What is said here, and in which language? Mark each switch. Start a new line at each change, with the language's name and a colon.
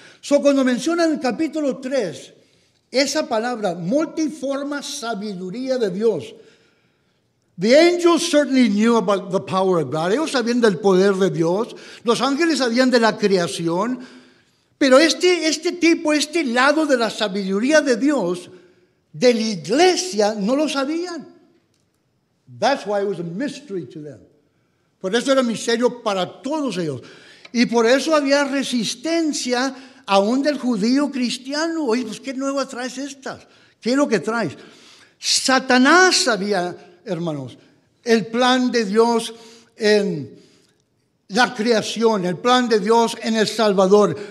Spanish: So, cuando menciona en el capítulo 3 esa palabra, multiforme sabiduría de Dios,
English: the angels certainly knew about the power of God.
Spanish: Ellos sabían del poder de Dios. Los ángeles sabían de la creación. Pero este lado de la sabiduría de Dios, de la iglesia, no lo sabían.
English: That's why it was a mystery to them.
Spanish: Por eso era misterio para todos ellos. Y por eso había resistencia aún del judío cristiano. Oye, pues qué nuevas traes estas. ¿Qué es lo que traes? Satanás sabía, hermanos, el plan de Dios en la creación, el plan de Dios en el Salvador.